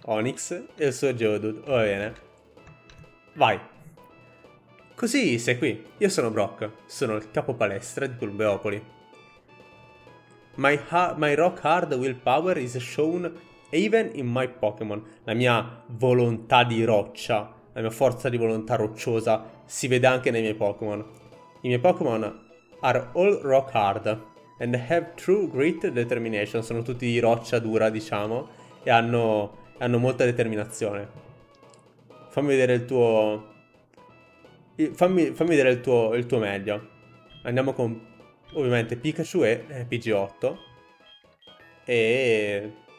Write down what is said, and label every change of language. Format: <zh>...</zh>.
<it>Onix e il suo Geodude. Va bene. Vai. Così sei qui. Io sono Brock. Sono il capo palestra di Bulbeopoli.</it> <en>My rock hard willpower is shown even in my Pokémon.</en> <it>La mia volontà di roccia, la mia forza di volontà rocciosa si vede anche nei miei Pokémon. I miei</it> <en>Pokémon are all rock hard and have true grit determination.</en> <it>Sono tutti di roccia dura, diciamo, e hanno molta determinazione. Fammi vedere il tuo. Fammi vedere il tuo meglio. Andiamo con ovviamente Pikachu e PG8. E.</it>